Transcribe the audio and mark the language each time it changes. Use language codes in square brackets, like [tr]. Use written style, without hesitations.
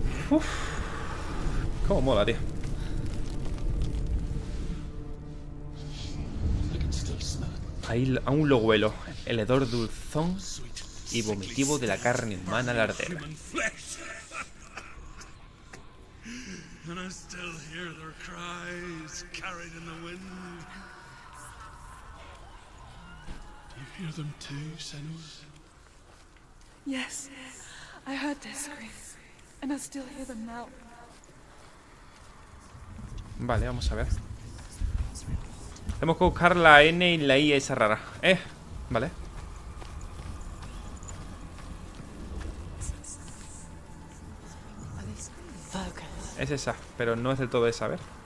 [es] Uf. Cómo mola, tío. [en] I can still smell it. [es] Ahí aún lo huelo. El hedor dulzón y vomitivo de la carne humana al arder. [en] And I still hear their cries carried in the wind. Do you hear them too, Senua? Yes, I heard their screams, and I still hear them now. [es] Vale, vamos a ver. Tenemos que buscar la N y la I esa rara. Vale. Es esa, pero no es del todo esa, a ver.